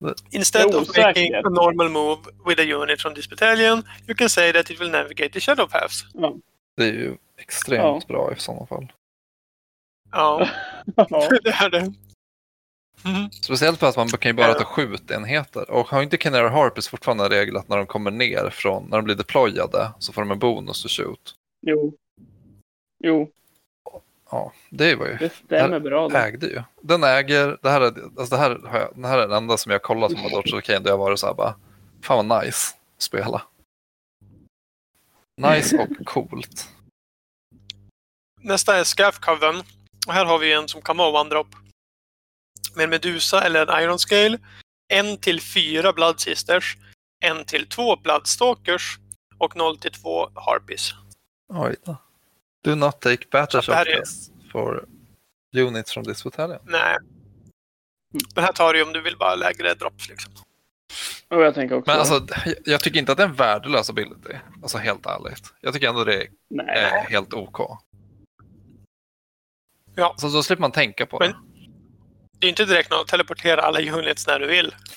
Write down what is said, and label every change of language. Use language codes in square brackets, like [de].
[en] Instead of making a normal move with a unit from this battalion, you can say that it will navigate the shadow paths. [sv] Det är ju extremt bra i sådana fall. Ja. Det är det. Speciellt för att man kan ju bara ta skjutenheter. Och har inte Canary Harpies fortfarande en regel att när de kommer ner från, när de blir deployade, så får de en bonus att shoot? Jo. Ja, det var ju. Det stämmer bra. Den ägde ju. Den äger, det här är, alltså det här har jag, den här är den enda som jag kollat som har Dodge of Khaine, då jag varit såhär bara, fan vad nice att spela. Nice och coolt. Nästa är Scarf Coven. Och här har vi en som kan vara one drop. Med en Medusa eller en Iron Scale. 1-4 Blood Sisters. 1-2 Blood Stalkers. Och 0-2 Harpies. Oj då. [en] Do not take batches of this for units from this battalion. [sv] Nej. Det här tar du om du vill bara lägre drops liksom. Och jag tänker också. Men alltså, jag tycker inte att det är en värdelös ability. Alltså helt ärligt. Jag tycker ändå det är helt ok. Ja. Så då slipper man tänka på men, det. Det är inte direkt något att teleportera alla units när du vill.